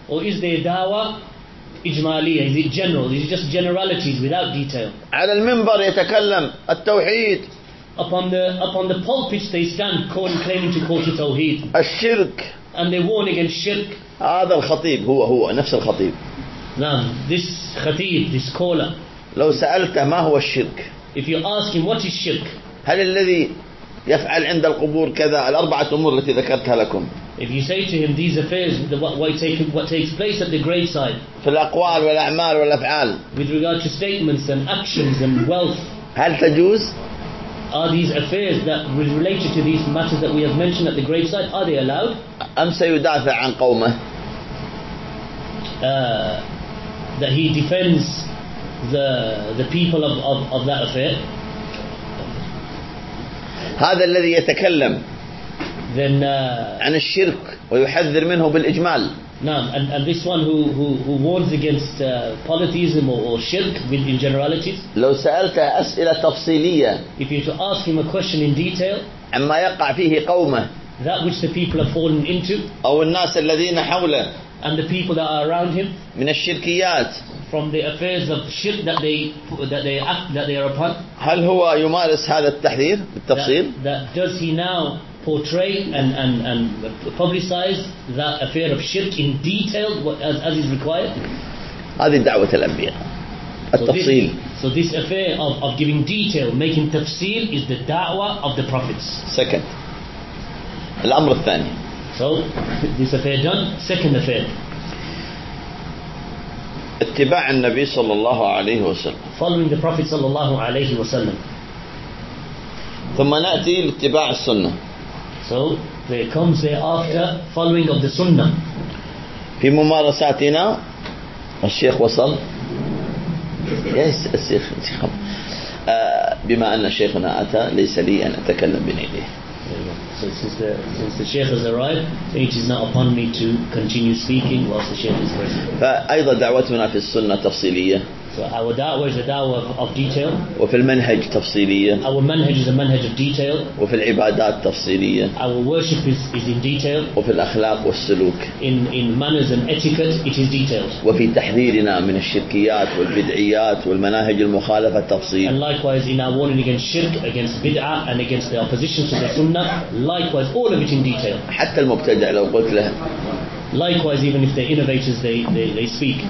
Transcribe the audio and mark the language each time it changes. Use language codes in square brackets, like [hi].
[en] Or is their [ar] دعوة إجمالية, [en] is it general? Is it just generalities without detail? [ar] على المنبر يتكلم التوحيد. [en] Upon the pulpits they stand calling, claiming to call to tawhid. [ar] الشرك. [en] And they warn against shirk. [ar] هذا الخطيب هو نفس الخطيب. [en] نعم, this خطيب, this caller. [ar] لو سألته ما هو الشرك? [en] If you ask him what is shirk? [ar] هل الذي يفعل عند القبور كذا الأربعة أمور التي ذكرتها لكم? [en] If you say to him these affairs, what takes place at the graveside, [ar] في الأقوال والأعمال والأفعال, [en] with regard to statements and actions and wealth, [ar] هل تجوز? [en] Are these affairs that related to these matters that we have mentioned at the graveside, are they allowed? [ar] أم سيدافع عن قومه? [en] That he defends the people of that affair. [ar] هذا الذي يتكلم [en] then, [ar] عن الشرك ويحذر منه بالإجمال. [en] Now, and this one who warns against polytheism or shirk in generalities. [ar] لو سألت أسئلة تفصيلية. [en] If you to ask him a question in detail. [ar] عما يقع فيه قومه. [en] That which the people are falling into. [ar] أو الناس الذين حوله. [en] And the people that are around him. [ar] من الشركيات. [en] From the affairs of shirk that they are upon. [ar] هل هو يمارس هذا التحذير بالتفصيل؟ [en] That does he now portray and publicize that affair of shirk in detail as is required? [ar] هذه دعوة الأنبياء. التفصيل. [en] So this affair of giving detail, making tafsir, is the da'wah of the prophets. [ar] Second. الأمر الثاني. [en] So this affair done. Second affair. [ar] اتباع النبي صلى الله عليه وسلم. [en] Following the Prophet [ar] صلى الله عليه وسلم. ثم نأتي لاتباع السنة. [en] So there comes thereafter following of the sunnah. [ar] في ممارساتنا الشيخ وصل. Yes, الشيخ انتخب. بما أن شيخنا أتى ليس لي أن أتكلم بنيله. [en] So since the Shaykh has arrived, it is not upon me to continue speaking whilst the Shaykh is present. [ar] فأيضا دعوتنا في السنة تفصيلية. [en] So our da'wah is a da'wah of detail. [ar] وفي المنهج تفصيلية. [en] Our manhaj is a manhaj of detail. [ar] وفي العبادات تفصيلية. [en] Our worship is in detail. [ar] وفي الأخلاق والسلوك. [en] In manners and etiquette, it is detailed. [ar] وفي تحذيرنا من الشركيات والبدعيات والمناهج المخالفة تفصيل. [en] And likewise in our warning against shirk, against bid'ah, and against the opposition to the sunnah, likewise all of it in detail. [ar] حتى المبتدع لو قلت له. [en] Likewise even if they're innovators, they speak.